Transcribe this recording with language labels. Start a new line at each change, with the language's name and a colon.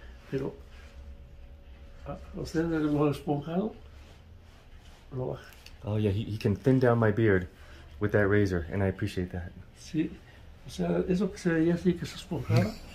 Spanish: Pero, o sea, lo esponjado, lo baja.
English: Oh yeah, he can thin down my beard with that razor, and I appreciate that.
Spanish: Sí. O sea, eso que se veía así, que se esponjaba.